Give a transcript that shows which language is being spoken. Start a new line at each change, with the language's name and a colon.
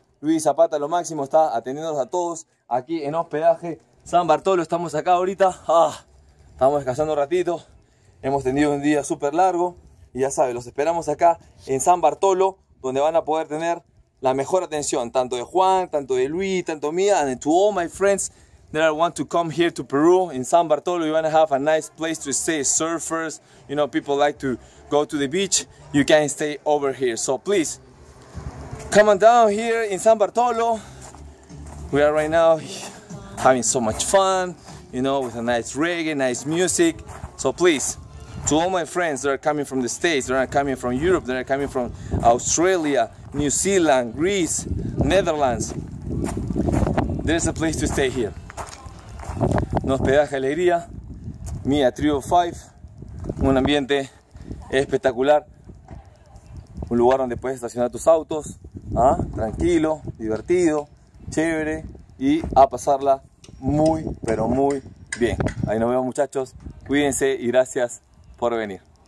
Spanish: Luis Zapata, lo máximo, está atendiéndonos a todos aquí en hospedaje San Bartolo. Estamos acá ahorita, estamos descansando un ratito, hemos tenido un día súper largo y ya saben, los esperamos acá en San Bartolo, donde van a poder tener la mejor atención, tanto de Juan, tanto de Luis, tanto mía.
English: And to all my friends that want to come here to Peru, in San Bartolo, you want to have a nice place to stay, surfers, you know, people like to go to the beach, you can stay over here, so please, come on down here in San Bartolo. We are right now having so much fun, you know, with a nice reggae, nice music. So please, to all my friends that are coming from the States, that are coming from Europe, that are coming from Australia, New Zealand, Greece, Netherlands, there's a place to stay here.
Spanish: Hospedaje Alegría, Mia Tribu 5, un ambiente espectacular, un lugar donde puedes estacionar tus autos, tranquilo, divertido, chévere, y a pasarla muy, pero muy bien. Ahí nos vemos, muchachos. Cuídense y gracias por venir.